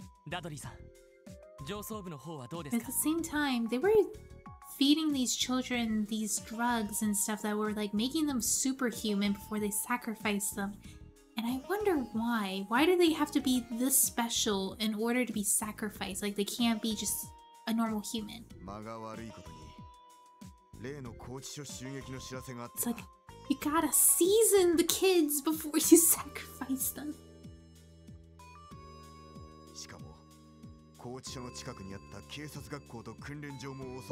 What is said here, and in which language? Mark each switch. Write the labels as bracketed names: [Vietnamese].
[Japanese] ダドリーさん、上層部の方はどうですか? [English] At the same time, they were feeding these children these drugs and stuff that were like making them superhuman before they sacrificed them. And I wonder why. Why do they have to be this special in order to be sacrificed? Like they can't be just a normal human. [Japanese] 間が悪いことに、例の拘置所襲撃の知らせがあった。 [English] It's like, you gotta season the kids before you sacrifice them. [Japanese] しかも、拘置所の近くにあった警察学校と訓練場も襲